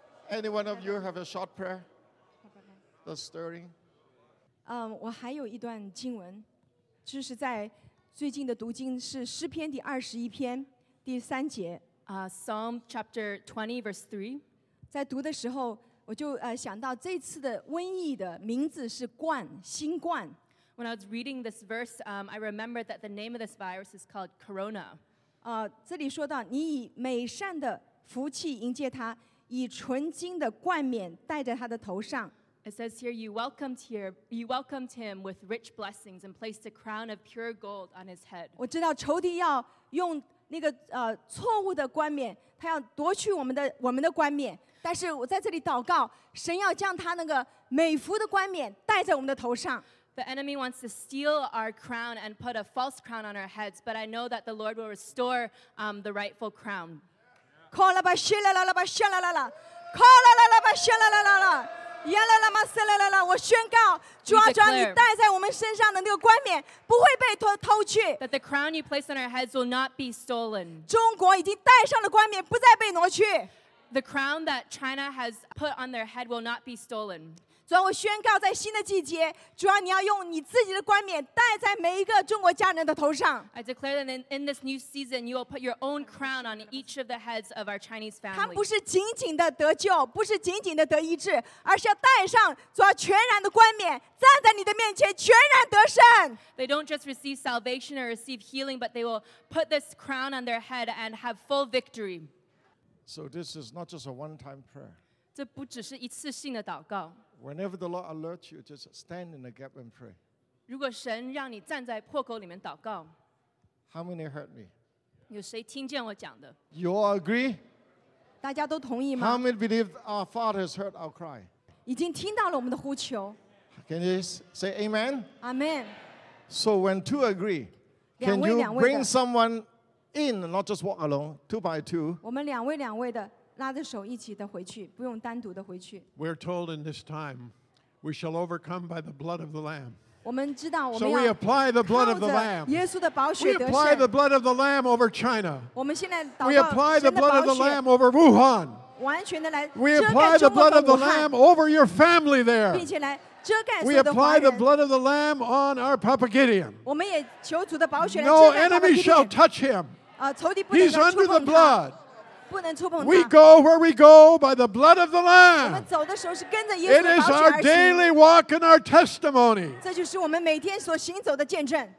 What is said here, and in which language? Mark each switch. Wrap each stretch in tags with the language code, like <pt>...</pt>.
<en>Any one of you have a short prayer? The stirring.</en> <zh>我还有一段经文，就是在最近的读经是诗篇第二十一篇第三节。</zh> <en>Psalm chapter 20 verse 3.</en> <zh>在读的时候，我就想到这次的瘟疫的名字是冠，新冠。</zh> <en>When I was reading this verse, I remembered that the name of this virus is called Corona.</en> <zh>这里说到，你以美善的福气迎接他，以纯金的冠冕戴在他的头上。</zh> <en>It says here, you welcomed him with rich blessings and placed a crown of pure gold on his head.</en> <zh>我知道仇敌要用那个错误的冠冕，他要夺取我们的冠冕。但是我在这里祷告，神要将他那个美福的冠冕戴在我们的头上。</zh> <en>The enemy wants to steal our crown and put a false crown on our heads, but I know that the Lord will restore the rightful crown. Call la ba she la la la ba she la la la, call la la la ba she la la la la. 耶啦啦嘛，塞啦啦啦！</en> <zh>我宣告，主啊，主啊，你戴在我们身上的那个冠冕不会被偷去。</zh> <en>That the crown you place on our heads will not be stolen.</en> <zh>中国已经戴上了冠冕，不再被挪去。</zh> <en>The crown that China has put on their head will not be stolen.</en> <zh>主啊，我宣告，在新的季节，主啊，你要用你自己的冠冕戴在每一个中国家人的头上。</zh> <en>I declare that in this new season, you will put your own crown on each of the heads of our Chinese family.</en> <zh>他不是仅仅的得救，不是仅仅的得医治，而是要戴上主啊全然的冠冕，站在你的面前全然得胜。</zh> <en>They don't just receive salvation or receive healing, but they will put this crown on their head and have full victory. So this is not just a one-time prayer.</en> <zh>这不只是一次性的祷告。</zh> <en>Whenever the Lord alerts you, just stand in the gap and pray.</en> <zh>如果神让你站在破口里面祷告。</zh> <en>How many heard me?</en> <zh>有谁听见我讲的？</zh> <en>You all agree?</en> <zh>大家都同意吗？</zh> <en>How many believe our Father has heard our cry?</en> <zh>已经听到了我们的呼求。</zh> <en>Can you say Amen? Amen. So when two agree,</en> <zh>两位两位</zh> <en>can you bring someone in, not just walk alone, two by two?</en> <zh>我们两位两位的。拉着手一起的回去，不用单独的回去。</zh> <en>We're told in this time, we shall overcome by the blood of the Lamb.</en> <zh>我们知道我们要。</zh> <en>So we apply the blood of the Lamb.</en> <zh>耶稣的宝血得胜。</zh> <en>We apply the blood of the Lamb over China.</en> <zh>我们现在祷告神的宝血。</zh> <en>We apply the blood of the Lamb over Wuhan.</en> <zh>完全的来。</zh> <en>We apply the blood of the Lamb over your family there.</en> <zh>并且来遮盖所有的华人。</zh> <en>We apply the blood of the Lamb on our Papa Gideon.</en> <zh>我们也求主的宝血来遮盖。</zh> <en>No enemy shall touch him.</en> <zh>仇敌不能触碰他。</zh> <en>He's under the blood.</en> <zh>不能触碰他。</zh> <en>We go where we go by the blood of the Lamb.</en> <zh>我们走的时候是跟着耶稣的宝血而行。</zh> <en>It is our daily walk and our testimony.</en> <zh>这就是我们每天所行走的见证。</zh>